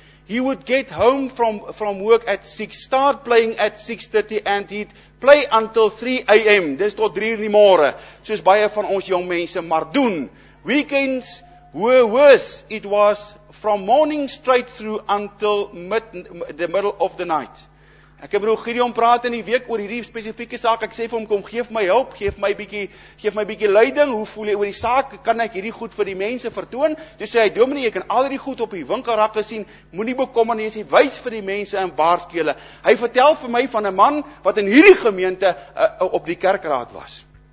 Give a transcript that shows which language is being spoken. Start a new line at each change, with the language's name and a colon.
English: He would get home from work at 6, start playing at 6:30 and he'd play until 3 a.m.
Afrikaans: Dis tot 3 in die môre, soos baie van ons jong mense maar doen.
English: Weekends were worse, it was from morning straight through until the middle of the night.
Afrikaans: Ek het broer Gideon praat in die week oor hierdie spesifieke saak, ek sê vir hom, kom geef my help, geef my bietjie leiding, hoe voel jy oor die saak, kan ek hierdie goed vir die mense vertoon? Toe sê hy, dominee, ek kan al die goed op die winkelrakke sien, moet nie bekommer nie, sê, wys vir die mense en waarskei hulle. Hy vertel vir my van 'n man, wat in hierdie gemeente op die kerkraad was.